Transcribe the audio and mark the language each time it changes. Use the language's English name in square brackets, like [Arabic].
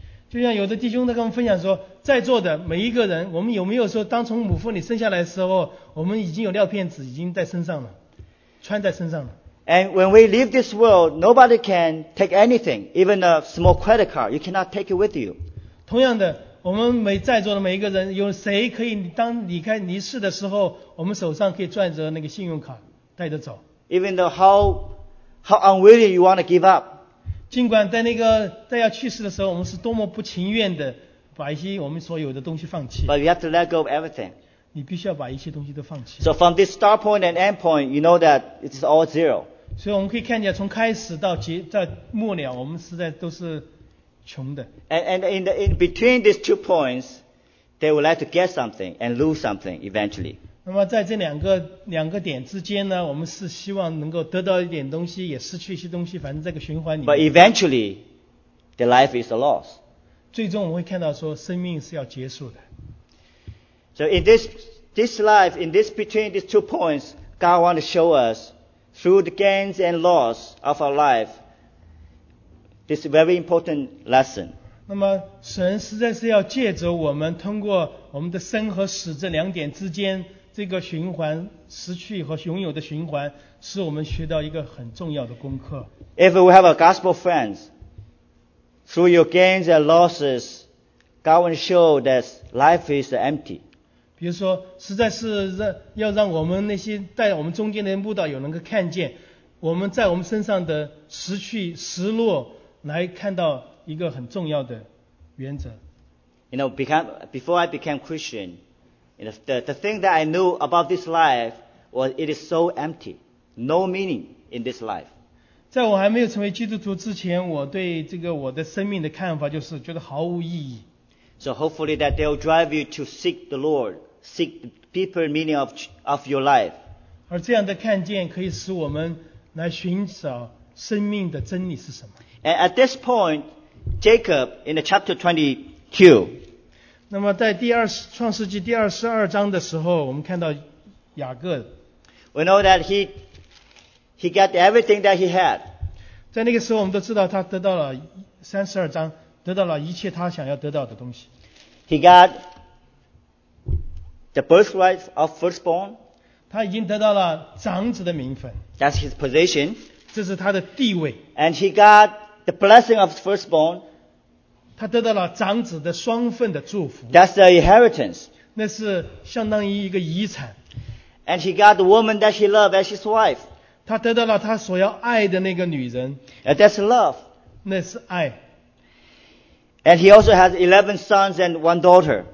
[Chinese] 就像有的弟兄他跟我们分享说。在座的每一个人，我们有没有说，当从母腹里生下来的时候，我们已经有尿片子已经在身上了，穿在身上了。 [English] And when we leave this world, nobody can take anything, even a small credit card. You cannot take it with you. [Chinese] 同样的，我们每在座的每一个人，有谁可以当离开离世的时候，我们手上可以攥着那个信用卡带着走 [English] ？Even though how unwilling you want to give up. [Chinese] 尽管在那个在要去世的时候，我们是多么不情愿的。把一些我们所有的东西放弃。 [English] But you have to let go of everything. [Chinese] 你必须要把一些东西都放弃。 [English] So from this start point and end point, you know that it is all zero. [Chinese] 所以我们可以看见，从开始到结到末了，我们实在都是穷的。 [English] And in between these two points, they would like to get something and lose something eventually. [Chinese] 那么在这两个点之间呢，我们是希望能够得到一点东西，也失去一些东西，反正这个循环里面。 [English] But eventually, the life is a loss. [Chinese] 最终我们会看到说，生命是要结束的。 [English] So in this life, in this between these two points, God wants to show us through the gains and loss of our life, this very important lesson. [Chinese] 那么神实在是要借着我们，通过我们的生和死这两点之间。这个循环失去和拥有的循环是我们学到一个很重要的功课。 [English] If we have a gospel friends, through your gains and losses, God will show that life is empty. [Chinese] 比如说实在是要让我们那些在我们中间的牧道有能够看见我们在我们身上的失去失落来看到一个很重要的原则。 [English] You know, before I became Christian,The thing that I knew about this life was it is so empty, no meaning in this life. [Chinese] 在我还没有成为基督徒之前，我对这个我的生命的看法就是觉得毫无意义。 [English] So hopefully that they will drive you to seek the Lord, seek the deeper meaning of your life. [Chinese] 而这样的看见可以使我们来寻找生命的真理是什么。 [English] And at this point, Jacob in the chapter 22. [Chinese] 那么在第二创世纪第二十二章的时候，我们看到雅各。 [English] We know that he got everything that he had。 [Chinese] 在那个时候，我们都知道他得到了三十二章，得到了一切他想要得到的东西。 [English] He got the birthright of firstborn。 [Chinese] 他已经得到了长子的名分。 [English] That's his position。 [Chinese] 这是他的地位。 [English] And he got the blessing of firstborn。 [Chinese] 他得到了长子的双份的祝福。 [English] That's the inheritance. [Chinese] 那是相当于一个遗产。 [English] And he got the woman that he loved as his wife. [Chinese] 他得到了他所要爱的那个女人。 [English] And that's love. [Chinese] 那是爱。 [English] And he also has 11 sons and one daughter.